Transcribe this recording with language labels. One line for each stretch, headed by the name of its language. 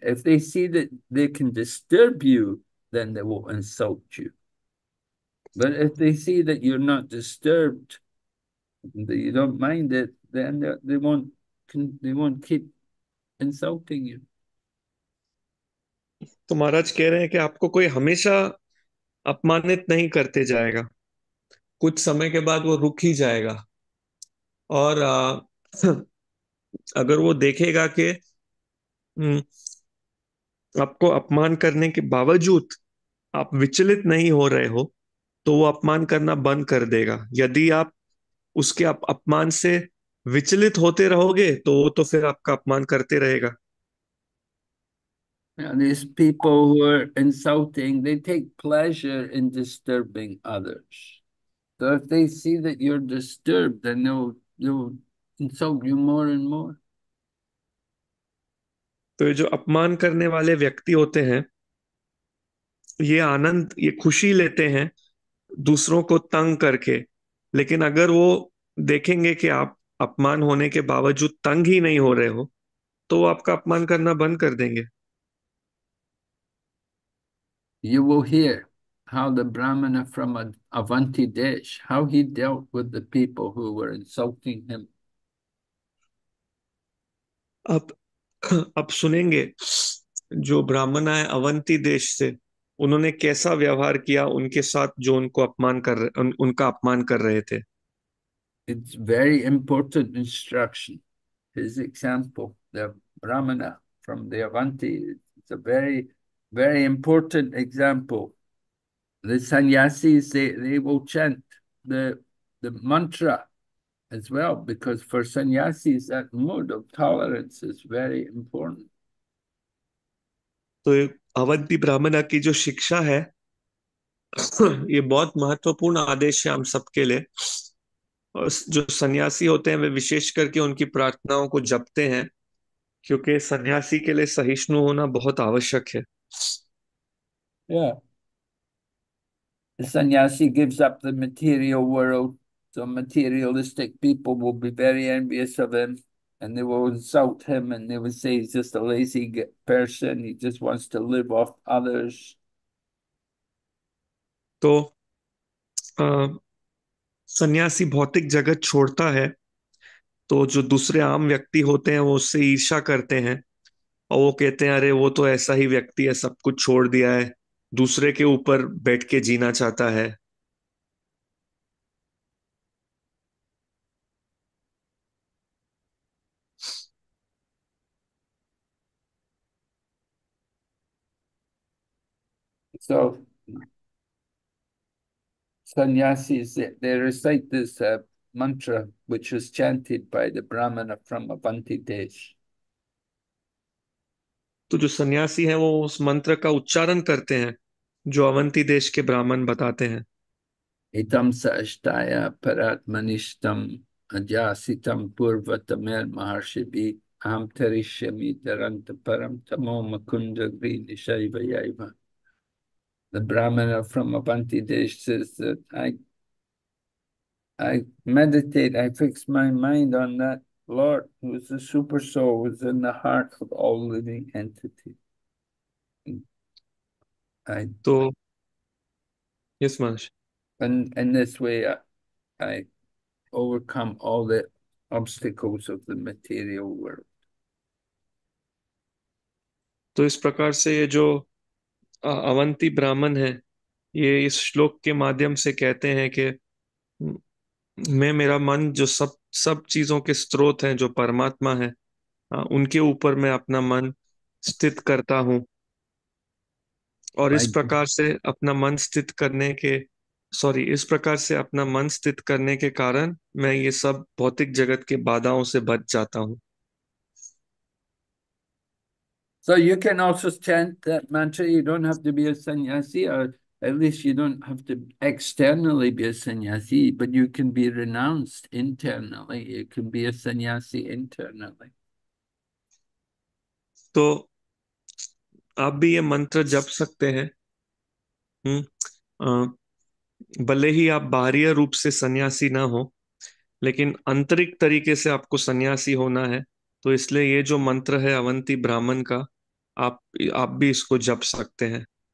English: If they see that they can disturb you, then they will insult you. But if they see that you're not disturbed, that you don't mind it, then they won't keep insulting you.
Hindi: तो महाराज कह रहे हैं कि आपको कोई हमेशा अपमानित नहीं करते जाएगा, कुछ समय के बाद वो रुक ही जाएगा, और अगर वो देखेगा कि आपको अपमान करने के बावजूद आप विचलित नहीं हो रहे हो तो वो अपमान करना बंद कर देगा। यदि आप उसके अपमान से विचलित होते रहोगे तो वो तो फिर आपका अपमान करते रहेगा।
English: You know, these people who are insulting, they take pleasure in disturbing others. So if they see that you're disturbed, then they'll insult you more and more.
Hindi: तो ये जो अपमान करने वाले व्यक्ति होते हैं ये आनंद ये खुशी लेते हैं दूसरों को तंग करके, लेकिन अगर वो देखेंगे कि आप अपमान होने के बावजूद तंग ही नहीं हो रहे हो तो वो आपका अपमान करना बंद कर देंगे।
English: You will hear how the Brahmana from Avanti Desh, how he dealt with the people who were insulting him.
Hindi: अब सुनेंगे जो ब्राह्मण आए अवंती देश से, उन्होंने कैसा व्यवहार किया उनके साथ जो उनको अपमान कर उनका अपमान कर रहे थे।
English: It's very important instruction. His example, the Brahmana from the Avanti, it's a very, very important example. The sannyasis, they will chant the mantra as well, because for sannyasis, that mood of tolerance is very important.
Hindi: तो अवंती ब्राह्मणा की जो शिक्षा है, ये बहुत महत्वपूर्ण आदेश है हम सबके लिए। और जो सन्यासी होते हैं वे विशेष करके उनकी प्रार्थनाओं को जपते हैं, क्योंकि सन्यासी के लिए सहिष्णु होना बहुत आवश्यक है।
English: The sannyasi gives up the material world, so materialistic people will be very envious of him, and they will insult him, and they will say he's just a lazy person, he just wants to live off others.
Hindi: तो सन्यासी भौतिक जगत छोड़ता है तो जो दूसरे आम व्यक्ति होते हैं वो उससे ईर्ष्या करते हैं, और वो कहते हैं अरे वो तो ऐसा ही व्यक्ति है, सब कुछ छोड़ दिया है, दूसरे के ऊपर बैठ के जीना चाहता है।
English: So, sannyasis, they recite this mantra which was chanted by the Brahmana from Avanti Desh.
Hindi: तो जो सन्यासी हैं वो उस मंत्र का उच्चारण करते हैं जो अवंती देश के ब्राह्मण बताते हैं।
Sanskrit: इदम सहष्टाय परात्मनिष्टम अजासितम पूर्वतमेर महर्षिभिः अहम् तरिष्यामि तरन्त परम तमो Mukunda ग्रीनिशैवैव.
English: The Brahmana from Avanti Desh says that I meditate, I fix my mind on that Lord who is the super soul, who is in the heart of all living entities. तो yes Manish, And in this way I overcome all the obstacles of the material world.
Hindi: तो इस प्रकार से ये जो अवंती ब्राह्मण है ये इस श्लोक के माध्यम से कहते हैं कि मैं मेरा मन जो सब सब चीजों के स्रोत हैं जो परमात्मा है उनके ऊपर मैं अपना मन स्थित करता हूँ, और इस प्रकार से अपना मन स्थित करने के सॉरी इस प्रकार से अपना मन स्थित करने के कारण मैं ये सब भौतिक जगत के बाधाओं से बच जाता हूं।
English: So you can also chant that mantra. You don't have to be a sannyasi, or at least you don't have to externally be a sannyasi, but you can be renounced internally. You can be a sannyasi internally.
Hindi: तो आप भी ये मंत्र जप सकते हैं। भले ही आप बाह्य रूप से सन्यासी ना हो, लेकिन आंतरिक तरीके से आपको सन्यासी होना है, तो इसलिए ये जो मंत्र है अवंती ब्राह्मण का, आप भी इसको जप सकते हैं।